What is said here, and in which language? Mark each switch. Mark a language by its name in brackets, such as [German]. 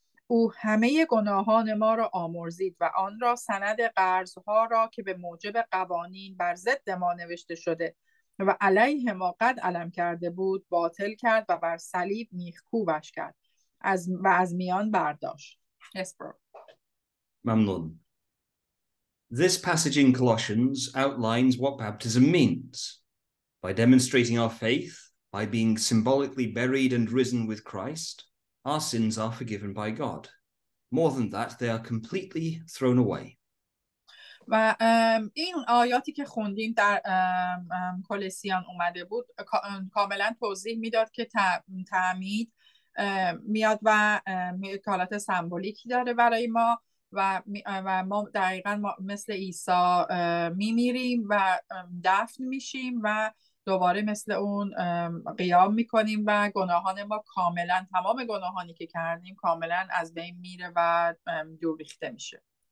[Persian] او همه گناهان ما را آمرزید و آن را سند قرضها را که به موجب قوانین بر ضد ما نوشته شده و علیه ما قد علم کرده بود باطل کرد و بر صلیب میخکوبش کرد و از میان برداشت. ممنون. [English] This passage in Colossians outlines what baptism means. By demonstrating our faith, by being symbolically buried and risen with Christ, our sins are forgiven by God. More than that, they are completely thrown away. [Persian] و این آیاتی که خوندیم در کلسیان اومده بود کاملا توضیح میداد که تعمید میاد و حالت سمبولیکی داره برای ما و ما دقیقا مثل عیسی میمیریم و دفن میشیم و دوباره مثل اون قیام میکنیم و گناهان ما کاملا تمام گناهانی که کردیم کاملا از بین میره و دور ریخته میشه.